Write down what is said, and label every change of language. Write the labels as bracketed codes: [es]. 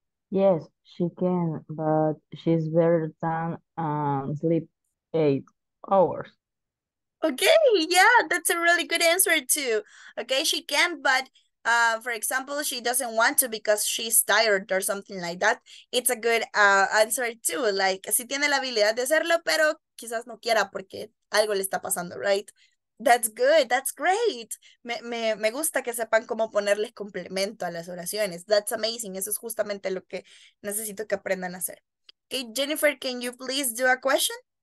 [en] Yes, she can, but she's better than sleep 8 hours. Okay, yeah, that's a really good answer too. Okay, she can, but for example, she doesn't want to because she's tired or something like that. It's a good answer too. [es] Like, si tiene la habilidad de hacerlo, pero quizás no quiera porque algo le está pasando, right? [en] That's good. That's great. [es] Me gusta que sepan cómo ponerles complemento a las oraciones. [en] That's amazing. [es] Eso es justamente lo que necesito que aprendan a hacer. [en] Okay, Jennifer, can you please do a question?